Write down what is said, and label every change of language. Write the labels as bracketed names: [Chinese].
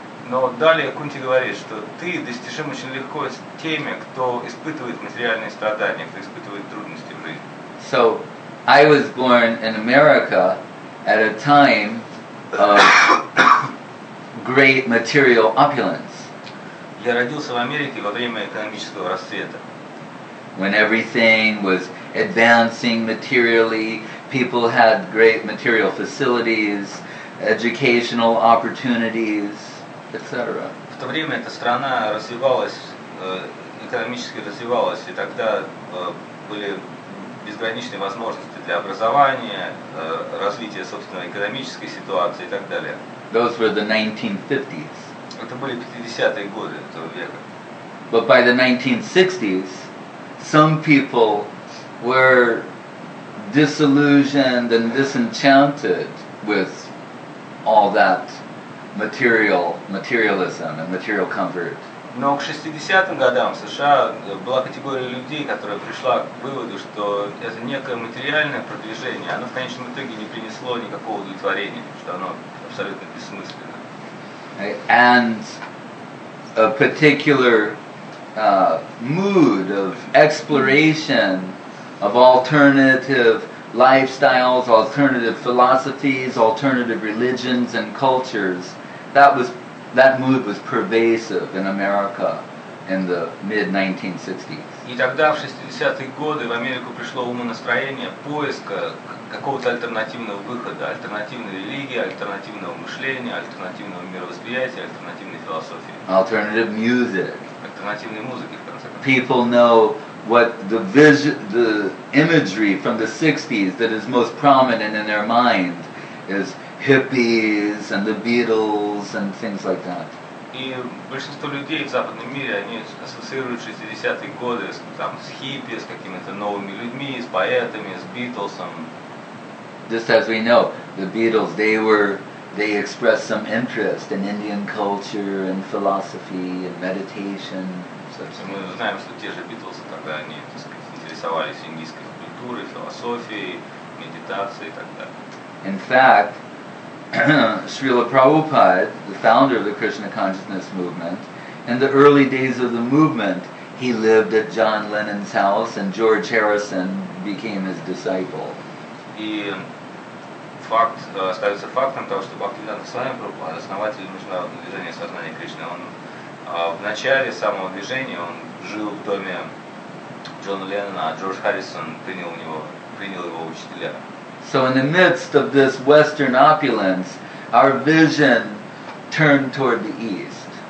[Russian] Но далее Кунти говорит, что ты достижим очень легко с теми, кто испытывает материальные страдания, кто испытывает трудности в жизни. [English] So, I was born in America at a time of great material opulence. [Russian] Я родился в Америке во время экономического расцвета. [English] When everything was advancing materially, people had great material facilities, educational opportunities. [Russian] В то время эта страна развивалась, экономически развивалась, и тогда были безграничные возможности для образования, развития собственной экономической ситуации и так далее. [English] Those were the 1950s. [Russian] Это были 50-е годы этого века. [English] But by the 1960s, some people were disillusioned and disenchanted with all that materialism and material comfort. [Russian] Но к 60-м годам в США была категория людей, которая пришла к выводу, что это некое материальное продвижение, оно в конечном итоге не принесло никакого удовлетворения, что оно абсолютно бессмысленно. [English] And a particular mood of exploration of alternative lifestyles, alternative philosophies, alternative religions and cultures, that mood was pervasive in America in the mid-1960s. [Russian] И тогда, в 60-е годы, в Америку пришло умонастроение поиска какого-то альтернативного выхода, альтернативной религии, альтернативного мышления, альтернативного мировосприятия, альтернативной философии. [English] Alternative music. [Russian] Альтернативной музыки, в конце концов. [English] People know what the imagery from the 60s that is most prominent in their mind is hippies and the Beatles and things like that. [Russian] И большинство людей в западном мире, они ассоциируют 60-е годы там с хиппи, с какими-то новыми людьми, с поэтами, с Битлсом. [English] Just as we know, the Beatles, they expressed some interest in Indian culture and philosophy and meditation. [Russian] Мы знаем, что те же Битлз тогда они, так сказать, интересовались индийской культурой, философией, медитацией и так далее. [English] In fact, Srila Prabhupada, the founder of the Krishna Consciousness Movement, in the early days of the movement, he lived at John Lennon's house, and George Harrison became his disciple. [Russian] И факт остается фактом того, что Бхактивинода Свами Прабхупада, основатель международного движения сознания Кришны, он в начале самого движения он жил в доме Джона Леннона, а Джордж Харрисон принял его учителя. [English] So in the midst of this Western opulence, our vision turned toward the East.